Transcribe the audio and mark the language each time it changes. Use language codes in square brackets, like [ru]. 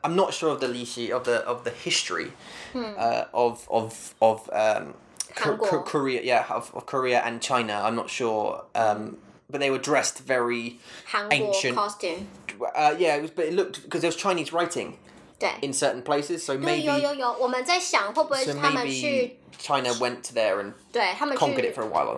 [en] I'm not sure of the lishi of the history, of Korea and China. I'm not sure. But they were dressed very ancient costume. But it looked, because there was Chinese writing in certain places, so maybe [zh] 有,我们在想会不会他们去, [en] so maybe China went there and conquered it for a while.